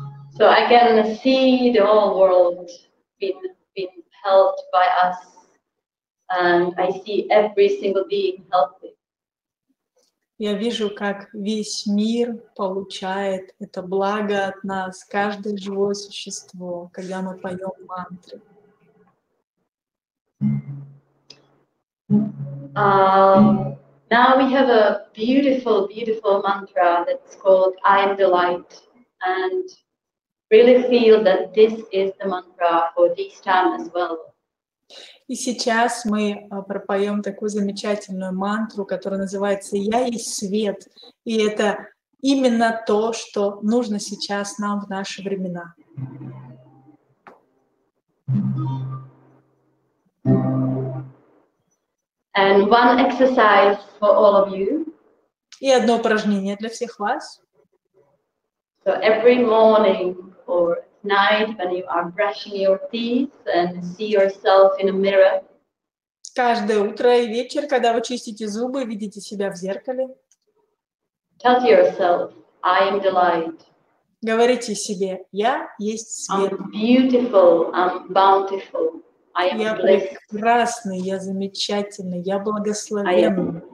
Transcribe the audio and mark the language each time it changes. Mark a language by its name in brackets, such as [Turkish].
[English] So I can see the whole world being helped by us, and I see every single being healthy. [Russian] Я вижу, как весь мир получает это благо от нас, каждое живое существо, когда мы поем мантры. [English] Now we have a beautiful, beautiful mantra that's called I am the light, and really feel that this is the mantra for this time as well. [Russian] И сейчас мы пропоем такую замечательную мантру, которая называется «Я есть свет», и это именно то, что нужно сейчас нам в наши времена. [English] And one exercise for all of you. [Russian] И одно упражнение для всех вас. [English] So every morning or night when you are brushing your teeth and see yourself in a mirror. [Russian] Каждое утро и вечер, когда вы чистите зубы, видите себя в зеркале. [English] Tell yourself, I am the light. [Russian] Говорите себе, я есть свет. [English] I'm beautiful, I'm bountiful. [Russian] Я прекрасный, я замечательный, я благословен.